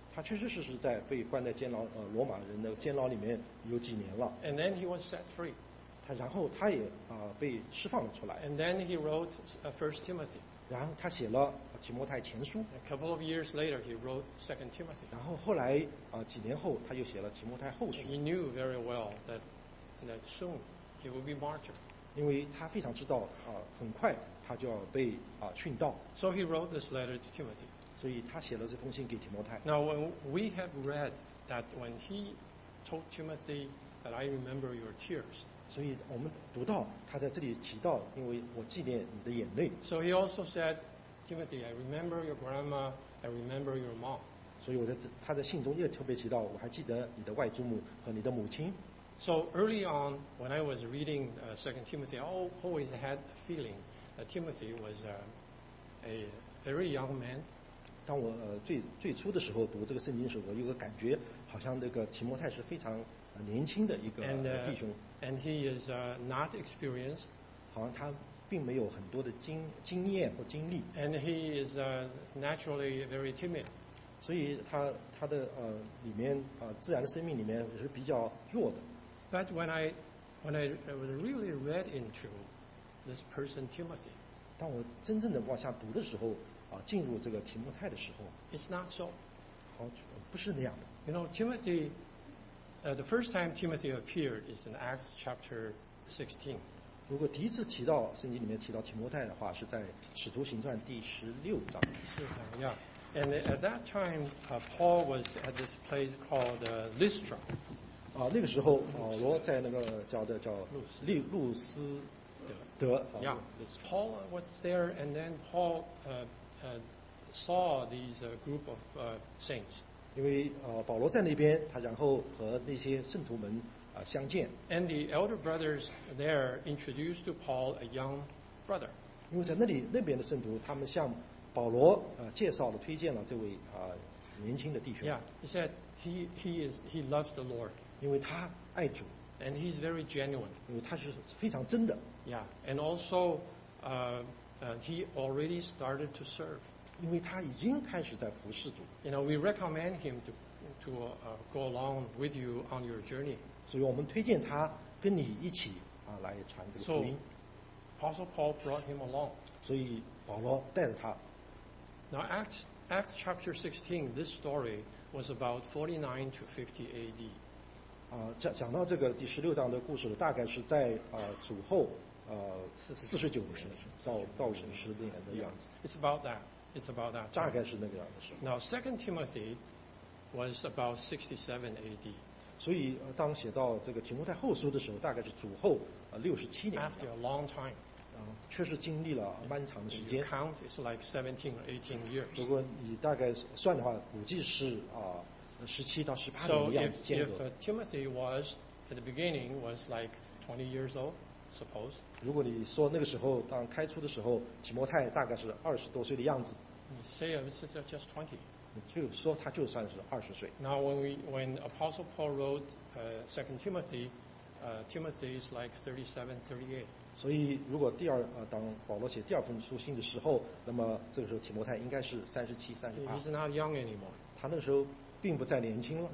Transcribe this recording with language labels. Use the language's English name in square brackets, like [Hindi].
[Chinese] 他确实是在被关在监牢罗马人的监牢里面有几年了。 [English] And then he was set free. [Chinese] 他然后他也被释放了出来。 [English] And then he wrote First Timothy. [Chinese] 然后他写了提摩太前书。 [English] A couple of years later, he wrote Second Timothy. [Chinese] 然后后来几年后他又写了提摩太后书。 [English] He knew very well that soon he would be martyred. [Chinese] 因为他非常知道很快他就要被殉道。 [English] So he wrote this letter to Timothy. [Chinese] 所以他写了这封信给提摩太。 [English] Now when we have read that when he told Timothy that I remember your tears. [Chinese] 所以我们读到他在这里提到，因为我纪念你的眼泪。 [English] So he also said, Timothy, I remember your grandma, I remember your mom. [Chinese] 所以他在信中又特别提到，我还记得你的外祖母和你的母亲。 [English] So early on, when I was reading Second Timothy, I always had a feeling that Timothy was a very young man. [Chinese] 当我最初的时候读这个圣经的时候，我有个感觉，好像这个提摩太是非常年轻的一个弟兄。 [English] And he is not experienced. [Chinese] 好像他并没有很多的经验或经历。 [English] And he is naturally very timid. [Chinese] 所以他的里面自然的生命里面是比较弱的。 [English] But when I was really read into this person Timothy, [Chinese] 当我真正的往下读的时候，进入这个提摩太的时候 [English] ，It's not so. [Chinese] 好，不是那样的。 [English] You know, Timothy, the first time Timothy appeared is in Acts chapter 16. [Chinese] 如果第一次提到圣经里面提到提摩太的话，是在使徒行传第十六章。是的 ，Yeah. [English] And at that time, Paul was at this place called Lystra. [Chinese] 那个时候保罗在那个叫路斯德。 [English] Yeah, Paul was there, and then Paul saw these group of saints. [Chinese] 因为保罗在那边，他然后和那些圣徒们相见。 [English] And the elder brothers there introduced to Paul a young brother. [Chinese] 因为在那边的圣徒，他们向保罗介绍了、推荐了这位年轻的弟兄。 [English] Yeah, he said he loves the Lord. [Chinese] 因为他爱主 [English] ，and he's very genuine. [Chinese] 因为他是非常真的。 [English] Yeah, and also, he already started to serve. [Chinese] 因为他已经开始在服侍主。 [English] You know, we recommend him to go along with you on your journey. [Chinese] 所以我们推荐他跟你一起啊来传这个福音。 [English] So, Apostle Paul brought him along. [Chinese] 所以保罗带着他。 [English] Now Acts chapter 16, this story was about 49 to 50 AD. [Chinese] 讲到这个第十六章的故事，大概是在主后四十九年到五十年的样子。 [English] Yeah, it's about that. It's about that. [Chinese] 大概是那个样的时候。 [English] Now 2 Timothy was about 67 AD. [Chinese] 所以当写到这个提摩太后书的时候，大概是主后六十七年。 [English] After a long time. [Chinese] 确实经历了漫长的时间。 [English] Count is like 17 or 18 years. [Chinese] 如果你大概算的话，估计是17到18年的样子间隔。 [English] So if Timothy was at the beginning was like 20 years old, suppose. [Chinese] 如果你说那个时候当开初的时候，提摩太大概是二十多岁的样子。 [English] Say it's just 20. [Chinese] 就说他就算是二十岁。 [English] Now when Apostle Paul wrote Second Timothy, Timothy is like 37, 38. [Chinese] 所以如果当保罗写第二封书信的时候，那么这个时候提摩太应该是37 38。 [English] He's not young anymore. [Chinese] 他那个时候并不再年轻了。